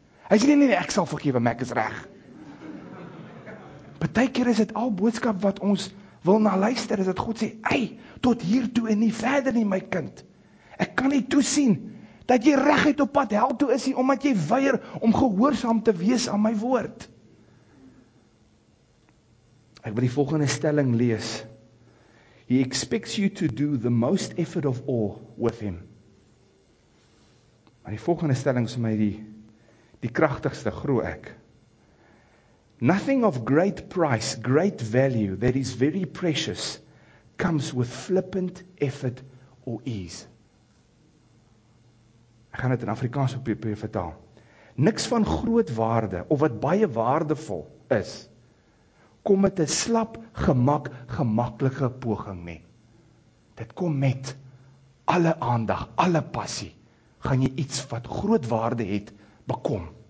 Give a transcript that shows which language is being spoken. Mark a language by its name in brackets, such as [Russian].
[Afrikaans] Hy sê, nie, ek sal vergewe, maar ek is reg. Partykeer is dit al boodskap wat ons wil na luister, is dat God sê, ei, tot hiertoe en nie verder nie, my kind. Ek kan nie toesien, dat jy reguit op pad hel toe is, omdat jy weier om gehoorsaam te wees aan my woord. Ek wil die volgende stelling lees. [English] He expects you to do the most effort of all with him. [Afrikaans] Maar die volgende stelling is my die kragtigste, groe ek. [English] Nothing of great price, great value, that is very precious, comes with flippant effort or ease. [Afrikaans] Ek gaan dit in Afrikaans op vertaal. Niks van groot waarde, of wat baie waardevol is, kom met 'n slap, gemaklike poging nie. Dit kom met alle aandag, alle passie, gaan jy iets wat groot waarde het, bekom.